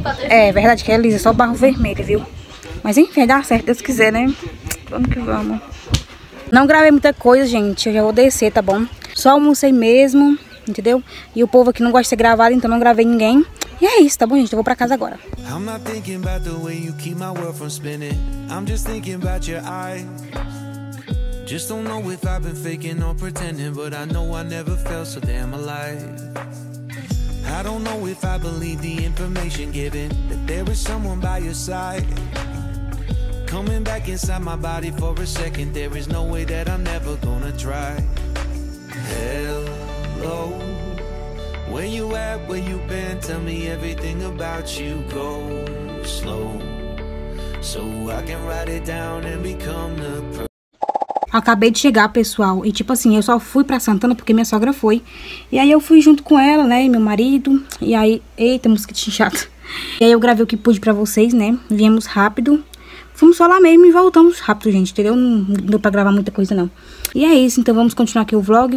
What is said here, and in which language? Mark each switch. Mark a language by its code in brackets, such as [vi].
[pt] Patrícia? É verdade que é lisa, só o barro vermelho, viu? Mas enfim, dá certo, Deus quiser, né? Vamos que vamos. Não gravei muita coisa, gente. Eu já vou descer, tá bom? Só almocei mesmo, entendeu? E o povo aqui não gosta de ser gravado, então não gravei ninguém. E é isso, tá bom, gente? Eu vou pra casa agora. [en] I'm not thinking about the way you keep my world from spinning. I'm just thinking about your eyes. Just don't know if I've been faking or pretending, but I know I never felt so damn alive. I don't know if I believe the information given, that there is someone by your side. Coming back inside my body for a second, there is no way that I'm never gonna try. Hello, where you at, where you been? Tell me everything about you. Go slow, so I can write it down and become the person. [pt] Acabei de chegar, pessoal, e tipo assim, eu só fui pra Santana porque minha sogra foi. E aí eu fui junto com ela, né, e meu marido. E aí, eita, mosquitinho chato. E aí eu gravei o que pude pra vocês, né. Viemos rápido, fomos só lá mesmo e voltamos rápido, gente, entendeu? Não deu pra gravar muita coisa, não. E é isso, então vamos continuar aqui o vlog.